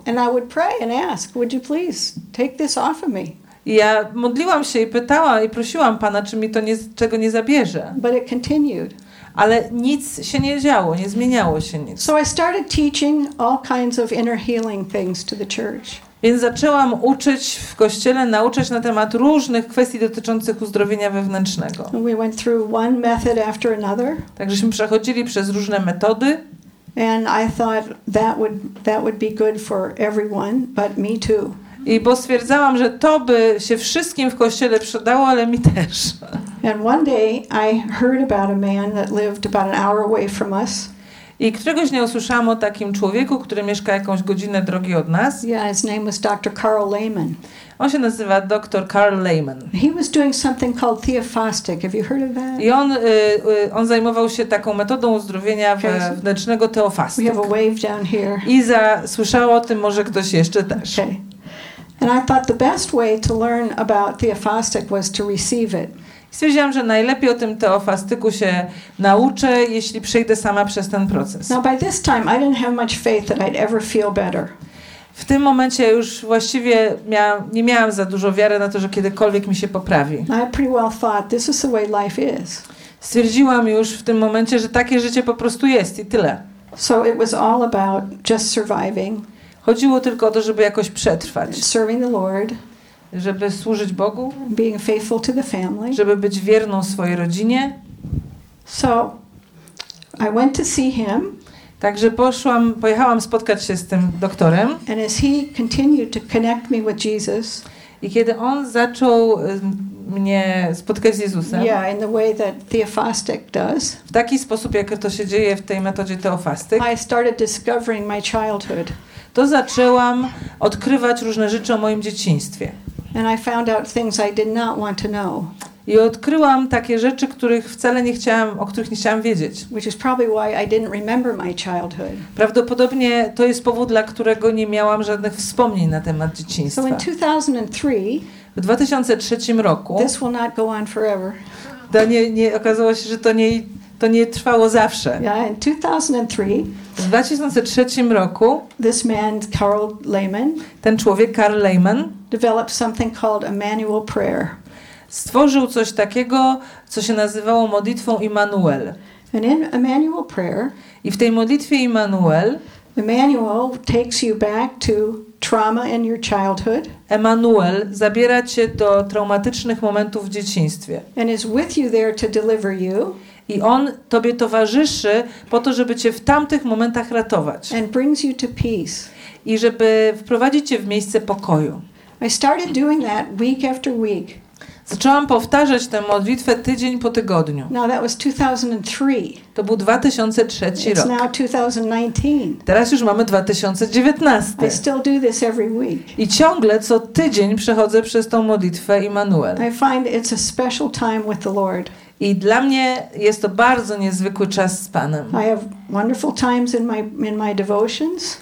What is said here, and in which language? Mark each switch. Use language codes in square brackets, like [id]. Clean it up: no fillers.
[en] And I would pray and ask, would you please take this off of me? [pl] I ja modliłam się i pytała i prosiłam Pana, czy mi to nie, czego nie zabierze. [en] But it continued. [pl] Ale nic się nie działo, nie zmieniało się nic. [en] So I started teaching all kinds of inner healing things to the church. [pl] Więc zaczęłam uczyć w kościele, nauczać na temat różnych kwestii dotyczących uzdrowienia wewnętrznego. [en] We went through one method after another. [pl] Takżeśmy przechodzili przez różne metody. [en] And I thought that would be good for everyone, but me too. [pl] I bo stwierdzałam, że to by się wszystkim w kościele przydało, ale mi też. [en] And one day I heard about a man that lived about an hour away from us. [pl] I któregoś dnia usłyszałam o takim człowieku, który mieszka jakąś godzinę drogi od nas. [en] Yeah, his name was Dr. Carl Lehman. [pl] On się nazywa Dr. Carl Lehman. [en] He was doing something called theophastic. Have you heard of that? [pl] I on zajmował się taką metodą uzdrowienia wewnętrznego theophastic. [en] We have a wave down here. [pl] Iza słyszała o tym, może ktoś jeszcze też. [en] Okay. And I thought the best way to learn about theophastic was to receive it. [pl] Stwierdziłam, że najlepiej o tym teofastyku się nauczę, jeśli przejdę sama przez ten proces. [en] Now by this time I didn't have much faith that I'd ever feel better. [pl] W tym momencie już właściwie nie miałam za dużo wiary na to, że kiedykolwiek mi się poprawi. [en] I pretty well thought this is the way life is. [pl] Stwierdziłam już w tym momencie, że takie życie po prostu jest i tyle. [en] So it was all about just surviving. [pl] Chodziło tylko o to, żeby jakoś przetrwać. [en] Serving the Lord. [pl] Żeby służyć Bogu, [en] being faithful to the family. [pl] Żeby być wierną swojej rodzinie. [en] So I went to see him. [pl] Także pojechałam spotkać się z tym doktorem. [en] And as he continued to connect me with Jesus. [pl] I kiedy on zaczął mnie spotkać z Jezusem. [en] Yeah, in the way that theophastic does. [pl] W taki sposób, jak to się dzieje w tej metodzie teofastyk. [en] I started discovering my childhood. [pl] To zaczęłam odkrywać różne rzeczy o moim dzieciństwie. [en] And I found out things I did not want to know. [pl] I odkryłam takie rzeczy, których wcale nie chciałam, o których nie chciałam wiedzieć. [en] Which is probably why I didn't remember my childhood. [pl] Prawdopodobnie to jest powód, dla którego nie miałam żadnych wspomnień na temat dzieciństwa. [en] So in 2003, [pl] w 2003 roku [en] this will not go on forever. [pl] To nie okazało się, że to nie trwało zawsze. [en] Yeah, in 2003, [pl] w 2003 roku [en] this man, Carl Lehman, [pl] ten człowiek, Carl Lehman, [en] developed something called Emmanuel Prayer. [pl] Stworzył coś takiego, co się nazywało modlitwą Immanuel. [en] And in Emmanuel Prayer, [pl] i w tej modlitwie Immanuel, [en] Emmanuel takes you back to trauma in your childhood. [pl] Emmanuel zabiera cię do traumatycznych momentów w dzieciństwie. [en] And is with you there to deliver you. [pl] I on tobie towarzyszy po to, żeby cię w tamtych momentach ratować. [en] And brings you to peace. [pl] I żeby wprowadzić cię w miejsce pokoju. [en] I started doing that week after week. [pl] Zaczęłam powtarzać tę modlitwę tydzień po tygodniu. [en] Now that was 2003. [pl] To był 2003 [en] It's [pl] rok. [en] Now 2019. [pl] Teraz już mamy 2019. [en] I still do this every week. [pl] I ciągle co tydzień przechodzę przez tą modlitwę Immanuel. [en] I find it's a special time with the Lord. [pl] I dla mnie jest to bardzo niezwykły czas z Panem. [en] I have wonderful times in my devotions.